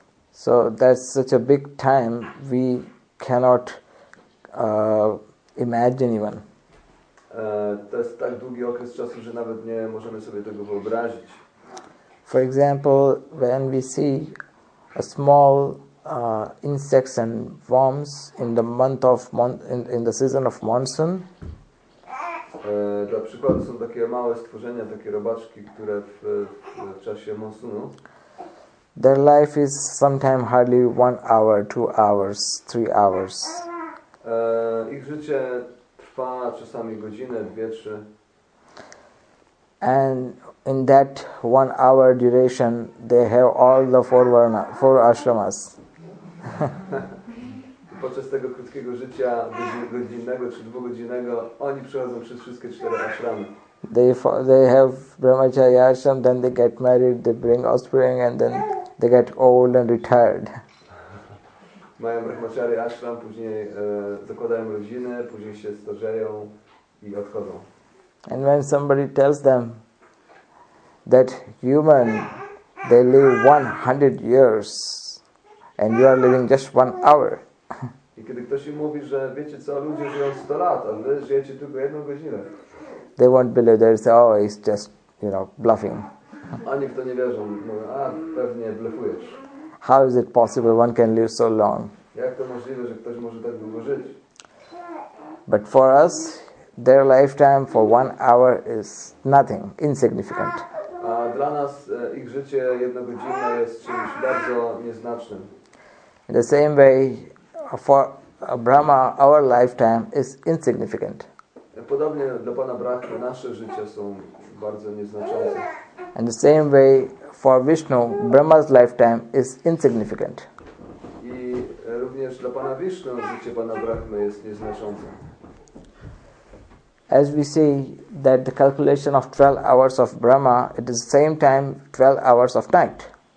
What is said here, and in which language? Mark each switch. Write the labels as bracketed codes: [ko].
[en] So that's such a big time we cannot imagine even. [pl] To jest tak długi okres czasu, że nawet nie możemy sobie tego wyobrazić. [en] For example, when we see a small insects and worms in the month of in the season of monsoon. [pl] Dla przykładu są takie małe stworzenia, takie robaczki, które w czasie monsunu. [en] Their life is sometimes hardly 1 hour, 2 hours, 3 hours. [pl] Ich życie trwa czasami godzinę, dwie, trzy. [en] And in that 1 hour duration, they have all the four ashramas. [pl] Podczas tego krótkiego życia, godzinnego czy dwugodzinnego, oni przechodzą przez wszystkie cztery ashramy. [en] They have brahmacharya ashram, then they get married, they bring offspring, and then they get old and retired. [pl] Mają brahmacharya ashram, później zakładają rodziny, później się starzeją i odchodzą. [en] And when somebody tells them that human, they live 100 years, and you are living just 1 hour. [pl] I kiedy ktoś im mówi, że wiecie co, ludzie żyją 100 lat, a wy żyjecie tylko jedną godzinę. [en] They won't believe. They say, oh, it's just, you know, bluffing. [pl] Ani w to nie wierzą. Mówią, a pewnie blefujesz. [en] How is it possible one can live so long? [pl] Jak to możliwe, że ktoś może tak długo żyć? [en] But for us, their lifetime for 1 hour is nothing, insignificant. [pl] A dla nas ich życie jednogodzinne jest czymś bardzo nieznacznym. [en] In the same way, for Brahma, our lifetime is insignificant. [pl] Podobnie dla Pana Brahmy nasze życie są bardzo nieznaczące. [en] In the same way, for Vishnu, Brahma's lifetime is insignificant. [pl] I również dla Pana Vishnu życie Pana Brahmy jest nieznaczące. [en] As we see that the calculation of 12 hours of Brahma, it is the same time 12 hours of night.